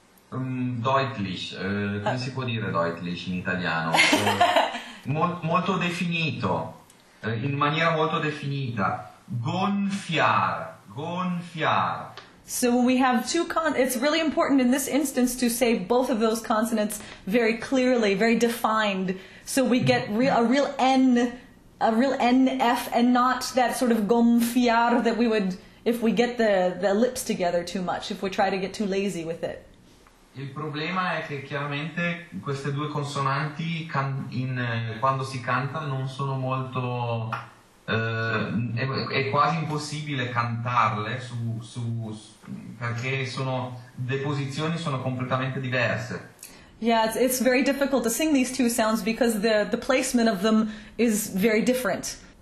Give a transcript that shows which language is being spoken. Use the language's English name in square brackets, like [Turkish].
[Italian] Deutlich, come si può dire deutlich in italiano? molto definito, in maniera molto definita. Gonfiar, gonfiar. [English] So when we have two it's really important in this instance to say both of those consonants very clearly, very defined, so we get a real N, F, and not that sort of gonfiar that we would, if we get the lips together too much, if we try to get too lazy with it. [Italian] Il problema è che chiaramente queste due consonanti quando si canta non sono molto è quasi impossibile cantarle su perché sono le posizioni sono completamente diverse. [English] Yeah, it's very difficult to sing these two sounds because the placement of them is very different.